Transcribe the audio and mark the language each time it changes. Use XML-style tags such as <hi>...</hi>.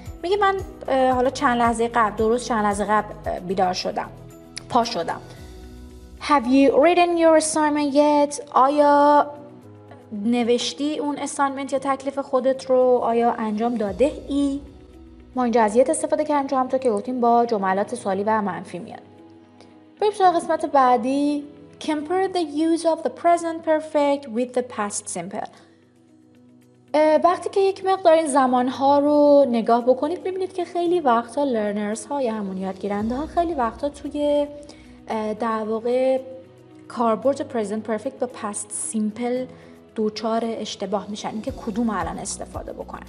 <fa>میگه من حالا چند لحظه قبل، دو روز چند لحظه قبل بیدار شدم، پا شدم.</fa> <en>Have you written your assignment yet?</en> <fa>آیا نوشتی اون assignment یا تکلیف خودت رو؟ آیا انجام داده ای؟ ما اینجا از یت استفاده کردیم چون همونطور که گفتیم با جملات سوالی و منفی میاد. بریم سراغ قسمت بعدی.</fa> <en>Compare the use of the present perfect with the past simple.</en> <fa>وقتی که یک مقدار این زمانها رو نگاه بکنید ببینید که خیلی وقتا لرنرز ها یا همون یادگیرنده ها خیلی وقتا توی در واقع کاربرد present perfect با past simple دوچار اشتباه میشن، اینکه کدوم الان استفاده بکنن.</fa>